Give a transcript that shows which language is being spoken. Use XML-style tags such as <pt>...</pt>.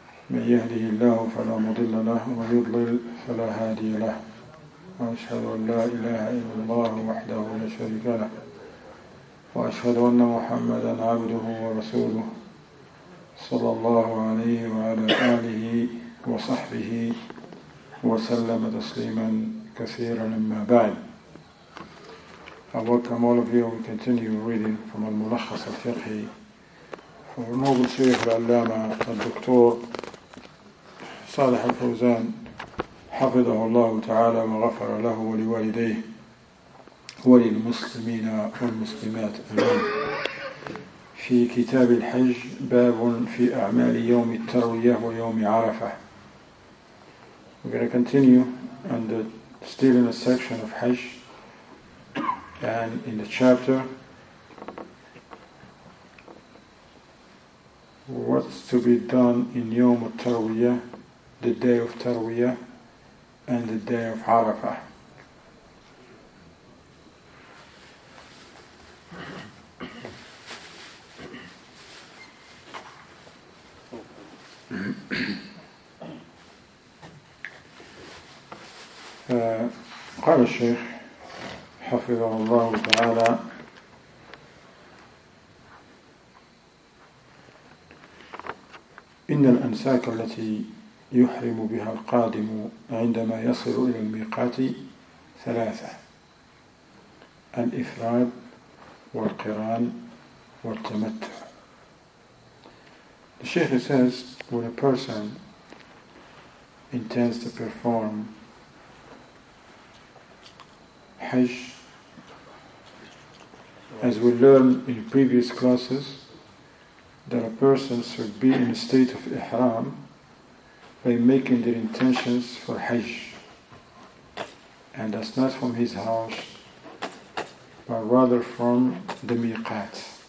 <ar>من يهده الله فلا مضل له ومن يضلل فلا هادي له، وأشهد أن لا إله إلا الله وحده لا شريك له، وأشهد أن محمدا عبده ورسوله صلى الله عليه وعلى آله وصحبه وسلم تسليما كثيرا. أما بعد،</ar> <en>I welcome all of you. We continue reading from</en> <ar>الملخص الفقهي</ar> <en>from Noble Sheikh</en> <ar>العلامة الدكتور صالح الفوزان حفظه الله تعالى وغفر له ولوالديه وللمسلمين والمسلمات أجمعين في كتاب الحج، باب في أعمال يوم التروية ويوم عرفة.</ar> <en>We're going to continue and still in a section of Hajj and in the chapter what's to be done in Yom Tarawiyah, the day of Tarawiyah and the day of Arafah.</en> <ar>قال الشيخ حفظه الله تعالى: إن الأنساك التي يحرم بها القادم عندما يصل إلى الميقات ثلاثة: الإفراد والقران والتمتع.</ar> <en>The Sheikh says, when a person intends to perform Hajj, as we learned in previous classes, that a person should be in a state of ihram by making their intentions for Hajj, and that's not from his house but rather from the miqat.</en>